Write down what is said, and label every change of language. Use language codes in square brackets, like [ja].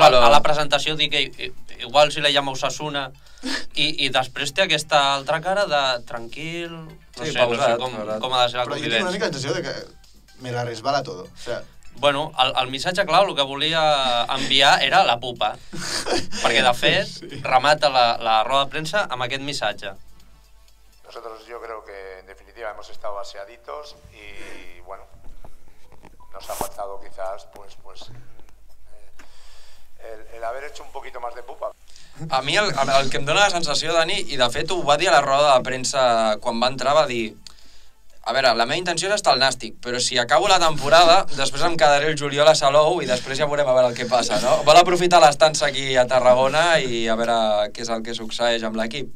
[ca] a la presentació dir que igual si la llama Osasuna i després té aquesta altra cara de tranquil... No sí, sé, pausat, no sé com ha de ser la convivència. Però jo tinc una mica la sensació de que [es] me la resbala todo. O sea... [ca] Bueno, el missatge clau, el que volia enviar era la pupa. Perquè, de fet, sí. Remata la roda de premsa amb aquest missatge. [es] Nosotros yo creo que en definitiva hemos estado aseaditos y bueno, nos ha faltado quizás pues el haber hecho un poquito más de pupa. [ca] A mí el que em dona la sensació, Dani, i de fet ho va dir a la roda de premsa quan va entrar, va dir: a veure, la meva intenció és estar al Nàstic, però si acabo la temporada, després em quedaré el juliol a Salou i després ja veurem a veure el que passa, no? Vol aprofitar l'estança aquí a Tarragona i a veure què és el que succeeix amb l'equip.